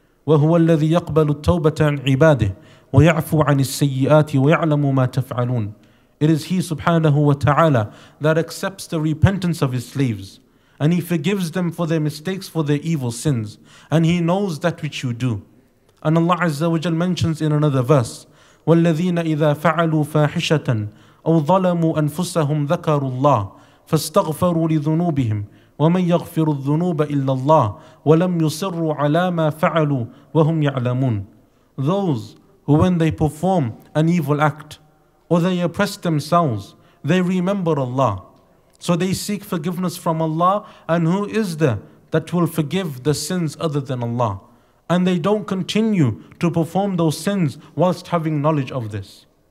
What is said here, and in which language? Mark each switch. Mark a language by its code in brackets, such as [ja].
[ar] وَهُوَ الَّذِي يَقْبَلُ التَّوْبَةَ عَنْ عِبَادِهِ وَيَعْفُ عَنِ السَّيِّئَاتِ وَيَعْلَمُ مَا تَفْعَلُونَ. [en] It is He subhanahu wa ta'ala that accepts the repentance of His slaves, and He forgives them for their mistakes, for their evil sins, and He knows that which you do. And Allah Azza wa Jal mentions in another verse, [ar] وَالَّذِينَ إِذَا فَعَلُوا فَاحِشَةً أَوْ ظَلَمُوا أَنفُسَهُمْ ذَكَرُوا اللَّهِ فَاسْتَغْفَرُوا لِذُنُوبِهِمْ وَمَنْ يَغْفِرُ الذُّنُوبَ إِلَّا اللَّهِ وَلَمْ يُصِرُّوا عَلَى مَا فَعَلُوا وَهُمْ يَعْلَمُونَ. [en] Those who, when they perform an evil act, or they oppress themselves, they remember Allah. So they seek forgiveness from Allah, and who is there that will forgive the sins other than Allah? And they don't continue to perform those sins whilst having knowledge of this.